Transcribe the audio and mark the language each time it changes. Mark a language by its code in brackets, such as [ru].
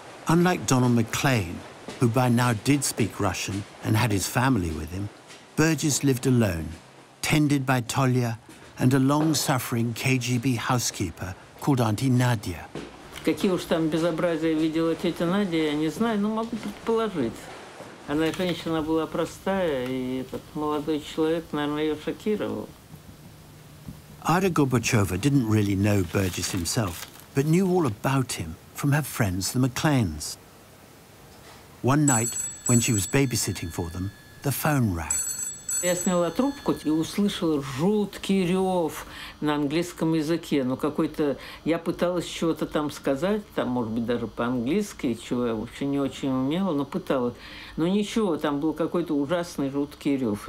[en] Unlike Donald Maclean, who by now did speak Russian and had his family with him, Burgess lived alone, tended by Tolya and a long-suffering KGB housekeeper called Auntie Nadia. [ru] Какие уж там безобразия видела тетя Надя, я не знаю, но могу предположить. Она женщина была простая, и этот молодой человек, наверное, ее шокировал. [en] Ада Горбачева didn't really know Burgess himself, but knew all about him from her friends, the Macleans. One night, when she was babysitting for them, the phone rang. [ru] Я сняла трубку и услышала жуткий рев на английском языке. Ну, какой-то... Я пыталась чего-то там сказать, там, может быть, даже по-английски, чего я вообще не очень умела, но пыталась. Но ничего, там был какой-то ужасный жуткий рев.